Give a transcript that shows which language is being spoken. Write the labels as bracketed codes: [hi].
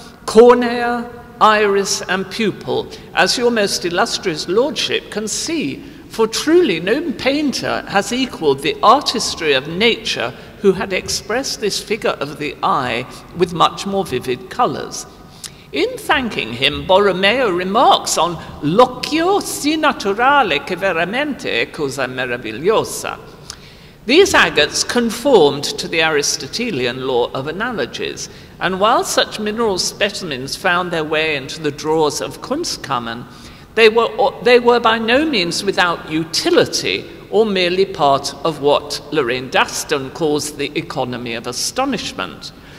[en] cornea, iris and pupil, as your most illustrious lordship can see, for truly no painter has equaled the artistry of nature who had expressed this figure of the eye with much more vivid colours. In thanking him, Borromeo remarks on [it] l'occhio si naturale che veramente è cosa meravigliosa. [en] These agates conformed to the Aristotelian law of analogies, and while such mineral specimens found their way into the drawers of Kunstkammern, they were by no means without utility or merely part of what Lorraine Daston calls the economy of astonishment.